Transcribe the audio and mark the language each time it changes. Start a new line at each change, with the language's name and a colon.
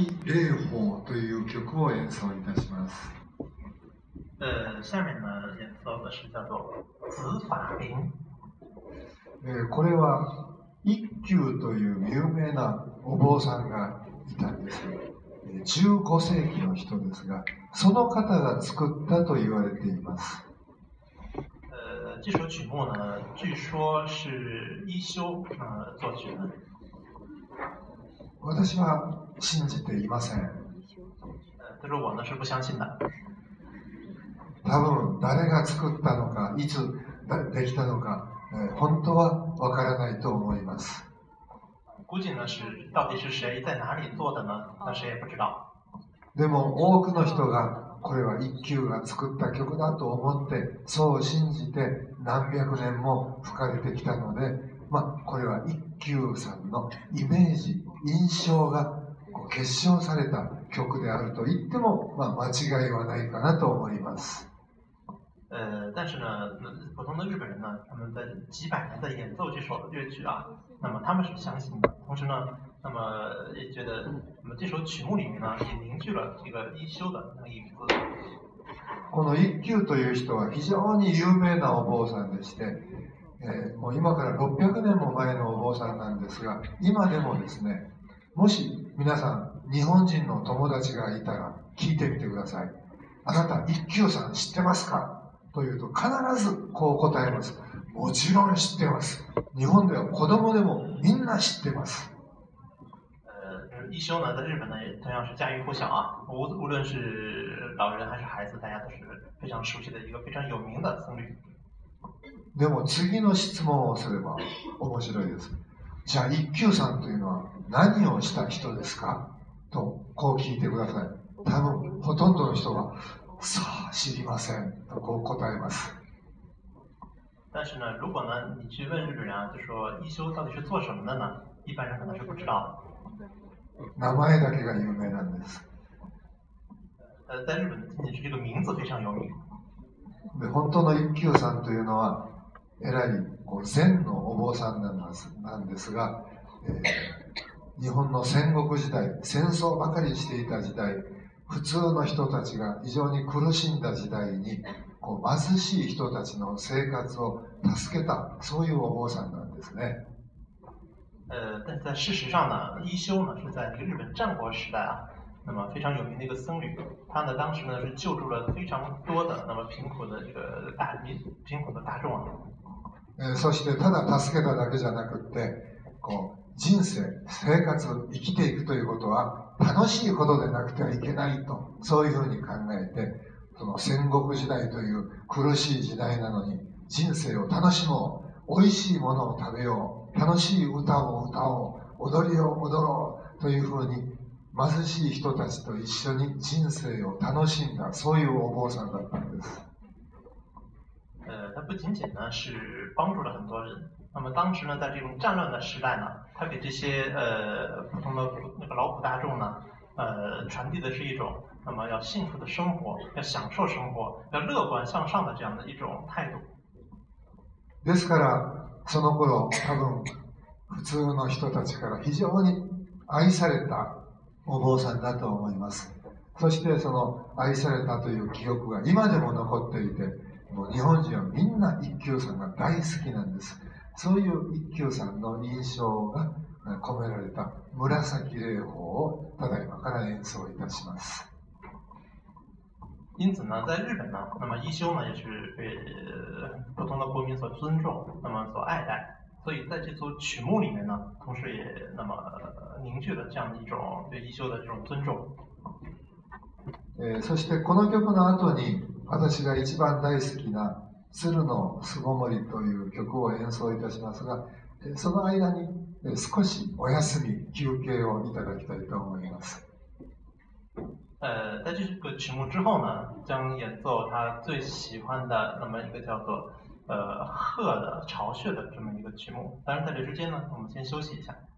Japanese: 霊峰という曲を演奏いたします。
Chinese: 下面の演奏的是叫做紫法林。
Japanese: これは一休という有名なお坊さんがいたんですよ。 15世紀の人ですが、その方が作ったと言われています。
Chinese: 这首曲目呢据说是一休作曲的。
Japanese: 私は信じていません。
Chinese: 这是我呢是不相信的。
Japanese: 多分誰が作ったのか、いつできたのか、本当はわからないと思います。
Chinese: 估计呢是到底是谁在哪里做的呢？那谁也不知道。
Japanese: でも多くの人がこれは一休が作った曲だと思って、そう信じて何百年も吹かれてきたので、これは一休さんのイメージ、印象が結晶された曲であると言っても、間違いはないかなと思います。
Chinese: 但是呢，普通的日本人呢，他们在几百年的演奏这首乐曲啊，那么他们是相信的，同时呢，那么也觉得，那么这首曲目里面呢，也凝聚了这个一休的那个影子。
Japanese: この一休という人は非常に有名なお坊さんでして、もう今から600年も前のお坊さんなんですが、今でもですね、もし皆さん日本人の友達がいたら聞いてみてください。あなた一休さん知ってますか？というと必ずこう答えます。もちろん知ってます。日本では子供でもみんな知ってます。
Chinese: 一休呢，在日本呢也同样是家喻户晓啊。无论是老人还是孩子，大家都是非常熟悉的一个非常有名的僧侣。
Japanese: でも次の質問をすれば面白いです。じゃあ一休さんというのは何をした人ですか？とこう聞いてください。多分ほとんどの人はさあ知りませんとこう答えます。
Chinese: 但是呢，如果呢你去问日本人啊，就说一休到底是做什么的呢？一般人可能是不知道。
Japanese: 名前だけが有名なんです。
Chinese: 在日本仅仅是这个名字非常有名。
Japanese: で本当の一休さんというのは偉い禅のお坊さんなんですが、日本の戦国時代、戦争ばかりしていた時代、普通の人たちが非常に苦しんだ時代に貧しい人たちの生活を助けた、そういうお坊さんなんですね。
Chinese: 但在事实上呢，一休呢是在这个日本战国时代啊，那么非常有名的一个僧侣，他呢当时呢是救助了非常多的那么贫苦的大众啊。
Japanese: そしてただ助けただけじゃなくて、人生、生活、生きていくということは楽しいことでなくてはいけないと、そういうふうに考えて、その戦国時代という苦しい時代なのに人生を楽しもう、美味しいものを食べよう、楽しい歌を歌おう、踊りを踊ろうというふうに貧しい人たちと一緒に人生を楽しんだ、そういうお坊さんだったんです。
Chinese: 他不仅仅呢是帮助了很多人，那么当时呢在这种战乱的时代呢，他给这些普通的那个劳苦大众呢传递的是一种那么要幸福的生活，要享受生活，要乐观向上的这样的一种态度。
Japanese: ですからその頃多分普通の人たちから非常に愛されたお坊さんだと思います。そしてその愛されたという記憶が今でも残っていて、もう日本人はみんな一休さんが大好きなんです。そういう一休さんの印象が込められた紫霊峰をただ今から演奏いたします。
Chinese: 因此呢，在日本呢，那么一休呢也是被普通的国民所尊重，那么所爱戴，所以在这组曲目里面呢，同时也那么凝聚了这样一种对一休的这种尊重。
Japanese: そしてこの曲の後に私が一番大好きな鶴の巣ごもりという曲を演奏いたしますが、その間に少しお休み休憩をいただきたいと思います。
Chinese: 在这个曲目之后呢，将演奏他最喜欢的那么一个叫做鹤的巢穴的这么一个曲目。当然在这之间呢，我们先休息一下。